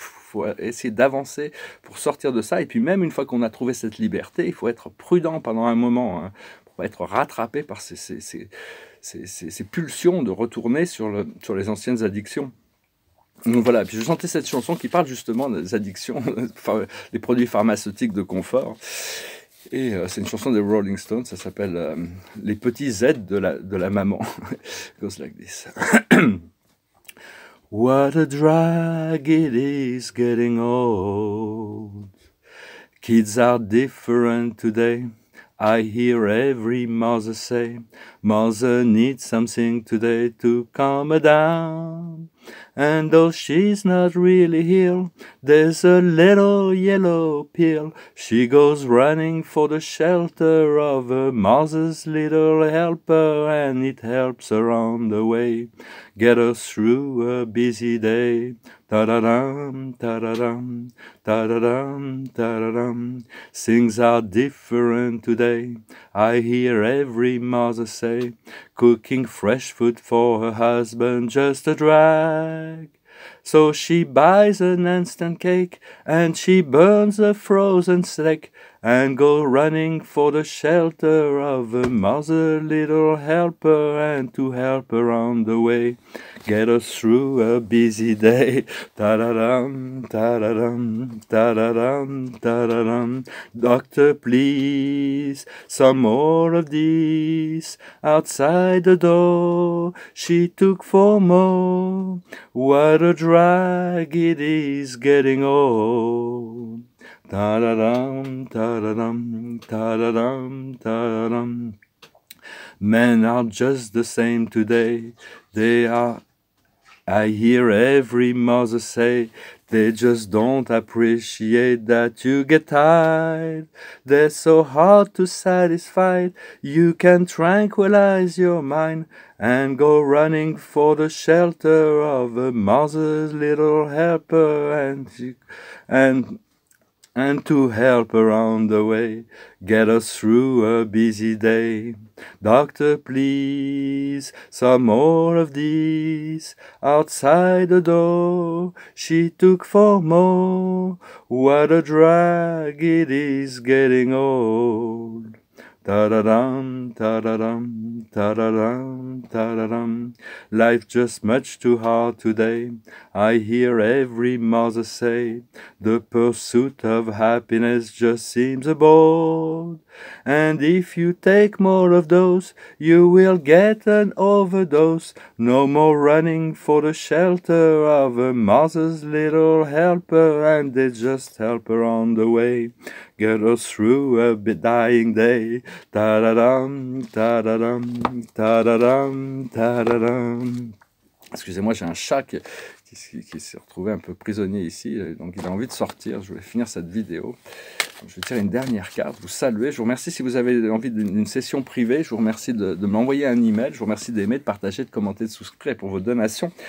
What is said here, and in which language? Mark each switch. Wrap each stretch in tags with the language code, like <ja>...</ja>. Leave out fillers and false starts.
<fr>faut essayer d'avancer pour sortir de ça. Et puis même une fois qu'on a trouvé cette liberté, il faut être prudent pendant un moment, hein, pour pas être rattrapé par ces pulsions de retourner sur les anciennes addictions. Donc voilà, puis je chantais cette chanson qui parle justement des addictions, les produits pharmaceutiques de confort. Et c'est une chanson des Rolling Stones, ça s'appelle « Les petits aides de la maman ».</fr> <en>Goes like this. What a drag it is getting old. Kids are different today. I hear every mother say, mother needs something today to calm her down. And though she's not really here, there's a little yellow pill. She goes running for the shelter of her mother's little helper, and it helps her on the way, get her through a busy day. Ta-da-dum, ta-da-dum, ta-da-dum, ta-da-dum. Things are different today, I hear every mother say. Cooking fresh food for her husband, just a drag. So she buys an instant cake, and she burns a frozen steak, and go running for the shelter of her mother, little helper, and to help her on the way, get her through a busy day. Ta-da-dum, ta-da-dum, ta-da-dum, ta-da-dum. Doctor, please, some more of this. Outside the door, she took four more. What a drag it is getting old. Ta-da-dum, ta-da-dum, ta-da-dum, ta-da-dum. Men are just the same today. They are, I hear every mother say, they just don't appreciate that you get tired. They're so hard to satisfy. You can tranquilize your mind and go running for the shelter of a mother's little helper. And to help her on the way, get her through a busy day. Doctor, please, some more of this. Outside the door, she took four more. What a drag it is getting old. Ta-da-dum, ta-da-dum, ta-da-dum, ta-da-dum. Life just much too hard today, I hear every mother say. The pursuit of happiness just seems a bore. And if you take more of those, you will get an overdose. No more running for the shelter of a mother's little helper, and they just help her on the way, get us through a bit dying day. Ta-da-dum, ta-da-dum, ta-da-dum, ta-da-dum.</en> <fr>Excusez-moi, j'ai un chat qui s'est retrouvé un peu prisonnier ici, donc il a envie de sortir. Je vais finir cette vidéo. Je vais tirer une dernière carte, vous saluer. Je vous remercie si vous avez envie d'une session privée. Je vous remercie de m'envoyer un email. Je vous remercie d'aimer, de partager, de commenter, de souscrire pour vos donations.</fr>